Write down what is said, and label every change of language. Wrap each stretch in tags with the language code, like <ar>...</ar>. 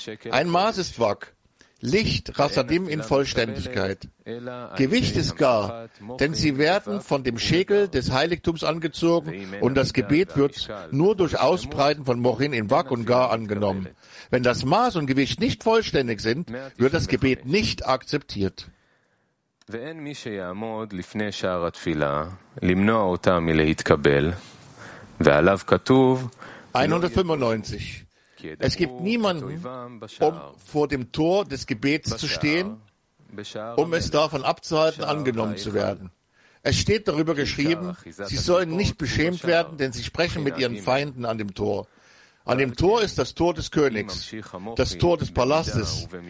<de>Ein Maß ist Wag, Licht, Rassadim in Vollständigkeit. Gewicht ist gar, denn sie werden von dem Schekel des Heiligtums angezogen und das Gebet wird nur durch Ausbreiten von Mochin in Wag und Gar angenommen. Wenn das Maß und Gewicht nicht vollständig sind, wird das Gebet nicht akzeptiert.</de> <he>ואין מי שיעמוד לפני שער התפילה למנוע אותה מלהתקבל ועליו כתוב 195.</he> <de>Es gibt niemanden, um vor dem Tor des Gebets zu stehen, um es davon abzuhalten, angenommen zu werden. Es steht darüber geschrieben, sie sollen nicht beschämt werden, denn sie sprechen mit ihren Feinden an dem Tor. An dem Tor ist das Tor des Königs, das Tor des Palastes.</de>